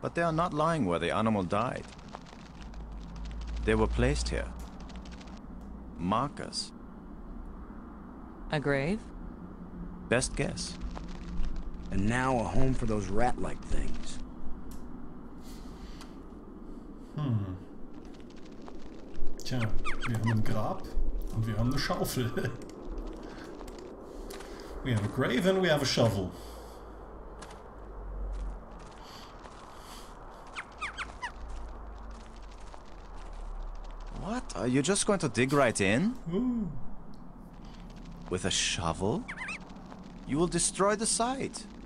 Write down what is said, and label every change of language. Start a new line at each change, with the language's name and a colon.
English: But they are not lying where the animal died. They were placed here. Markers. A grave? Best guess. And now a home for those rat-like things.
German: Tja, wir haben ein Grab und wir haben eine Schaufel.
English: We have a grave and we have a shovel. What? Are you just going to dig right in? Ooh. With a shovel? You will destroy the site.